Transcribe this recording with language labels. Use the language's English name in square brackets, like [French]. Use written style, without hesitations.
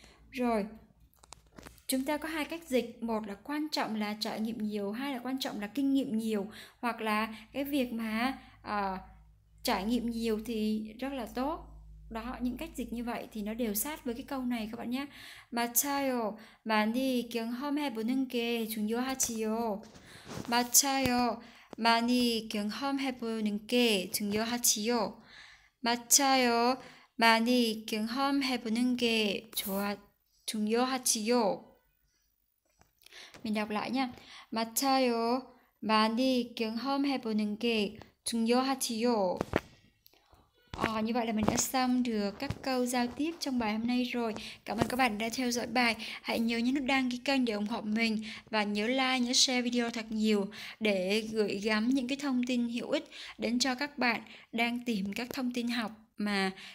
[Vietnamese] Rồi chúng ta có hai cách dịch, một là quan trọng là trải nghiệm nhiều, hai là quan trọng là kinh nghiệm nhiều, hoặc là cái việc mà trải nghiệm nhiều thì rất là tốt. Đó, những cách dịch như vậy thì nó đều sát với cái câu này các bạn nhé. [Korean] 맞아요. 많이 경험해보는 게 중요하지요. 맞아요. 많이 경험해보는 게 중요하지요. 맞아요. 많이 경험해보는 게 중요하지요. [Vietnamese] Mình đọc lại nha. 맞아요. [Korean] 많이 경험해보는 게 중요하지요. [Vietnamese] Như vậy là mình đã xong được các câu giao tiếp trong bài hôm nay rồi. Cảm ơn các bạn đã theo dõi bài. Hãy nhớ nhấn nút đăng ký kênh để ủng hộ mình. Và nhớ like, nhớ share video thật nhiều để gửi gắm những cái thông tin hữu ích đến cho các bạn đang tìm các thông tin học mà các bạn chưa tìm ra được cái chỗ học các bạn nhé.